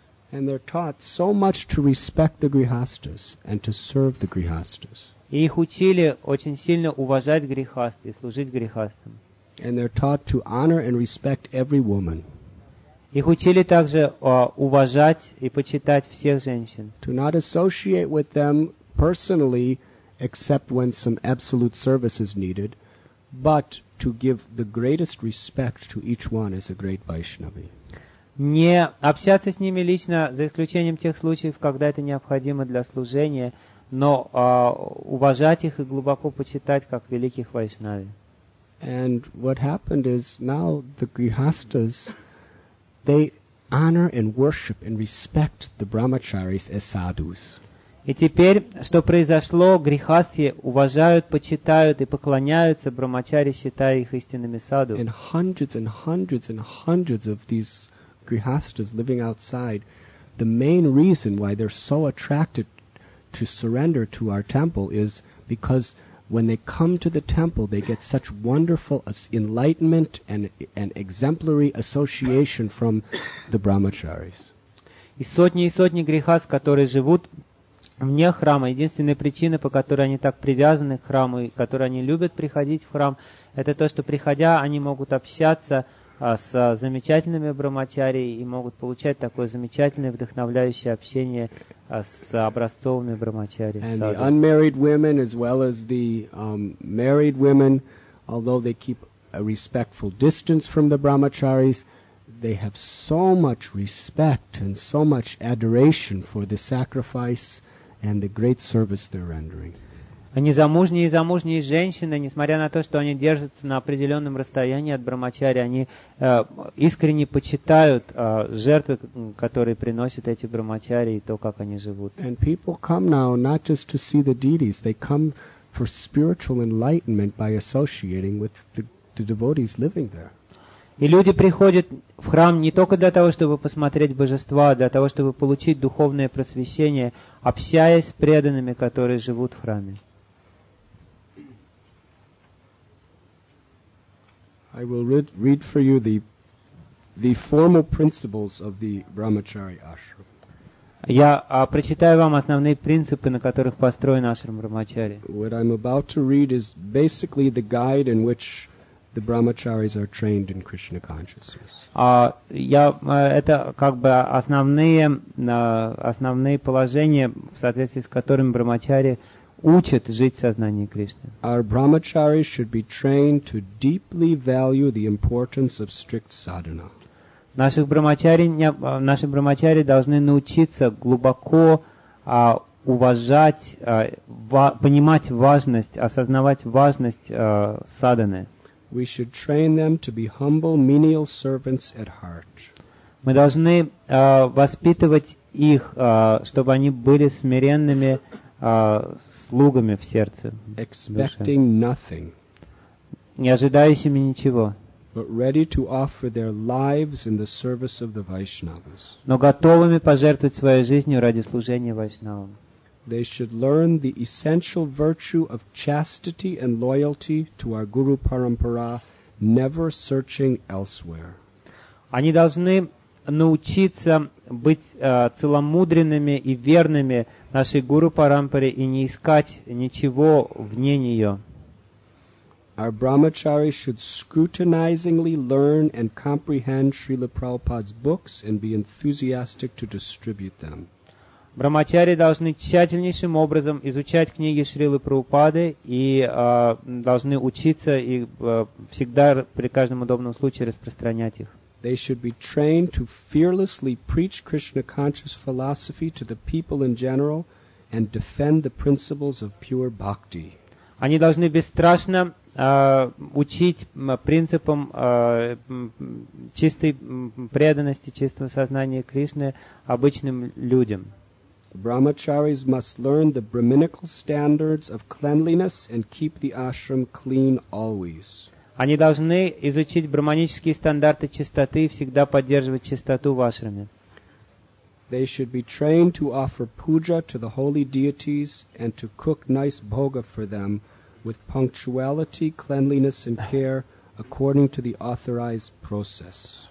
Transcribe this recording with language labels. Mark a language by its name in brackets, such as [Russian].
[English] And they're taught so much to respect the grihasthas and to serve the grihasthas. [Russian] И их учили очень сильно уважать грехаст и служить грехастам. [English] And they're taught to honor and respect every woman. [Russian] Их учили также уважать и почитать всех женщин. [English] To not associate with them personally, except when some absolute service is needed, but to give the greatest respect to each one as a great Vaishnavi. [Russian] Не общаться с ними лично, за исключением тех случаев, когда это необходимо для служения, но уважать их и глубоко почитать как великих вайшнави. [English] And what happened is now the grihasthas, they honor and worship and respect the brahmacharis as sadhus. [Russian] И теперь, что произошло, грихасты уважают, почитают и поклоняются брахмачари, считая их истинными саду. [English] And hundreds and hundreds and hundreds of these grihasthas living outside, the main reason why they're so attracted to surrender to our temple is because when they come to the temple, they get such wonderful enlightenment and an exemplary association from the brahmacharis. [Russian] И сотни грехас, которые живут вне храма, единственная причина, по которой они так привязаны к храму и которые они любят приходить в храм, это то, что приходя, они могут общаться с замечательными брахмачари и могут получать такое замечательное вдохновляющее общение с образцовыми брахмачари. [English] And the unmarried women as well as the married women although they keep a respectful distance from the brahmacharis, they have so much respect and so much adoration for the sacrifice and the great service they're rendering. [Russian] Незамужние и замужние женщины, несмотря на то, что они держатся на определенном расстоянии от брахмачари, они искренне почитают жертвы, которые приносят эти брахмачари, и то, как они живут. [English] And people come now not just to see the deities, they come for spiritual enlightenment by associating with the devotees living there. [Russian] И люди приходят в храм не только для того, чтобы посмотреть божества, а для того, чтобы получить духовное просвещение, общаясь с преданными, которые живут в храме. [English] I will read for you the formal principles of the Brahmachari ashram. [Russian] Я прочитаю вам основные принципы, на которых построен ашрам Брахмачари. [English] What I'm about to read is basically the guide in which the Brahmacharis are trained in Krishna consciousness. [Russian] Это как бы основные положения, в соответствии с которыми Брахмачари учат жить в сознании Кришны. [English] Our brahmacharis should be trained to deeply value the importance of strict sadhana. [Russian] Наши брахмачари должны научиться глубоко уважать, понимать важность, осознавать важность садханы. [English] We should train them to be humble, menial servants at heart. [Russian] Мы должны воспитывать их, чтобы они были смиренными слугами в сердце, [English] expecting nothing, [Russian] не ожидающими ничего, [English] but ready to offer their lives in the service of the Vaishnavas, [Russian] но готовыми пожертвовать своей жизнью ради служения Вайшнавам. [English] They should learn the essential virtue of chastity and loyalty to our Guru Parampara, never searching elsewhere. [Russian] Они должны научиться быть целомудренными и верными нашей Гуру Парампаре и не искать ничего вне нее. [English] Our brahmachari should scrutinizingly learn and comprehend Srila Prabhupada's books and be enthusiastic to distribute them. [Russian] Брахмачари должны тщательнейшим образом изучать книги Шрилы Прабхупады и должны учиться и всегда при каждом удобном случае распространять их. [English] They should be trained to fearlessly preach Krishna conscious philosophy to the people in general and defend the principles of pure bhakti. [Russian] Они должны бесстрашно учить принципам чистой преданности, чистого сознания Кришны обычным людям. [English] Brahmacharis must learn the brahminical standards of cleanliness and keep the ashram clean always. [Russian] Они должны изучить брахманические стандарты чистоты и всегда поддерживать чистоту в ашраме. [English] They should be trained to offer puja to the holy deities and to cook nice bhoga for them with punctuality, cleanliness and care according to the authorized process.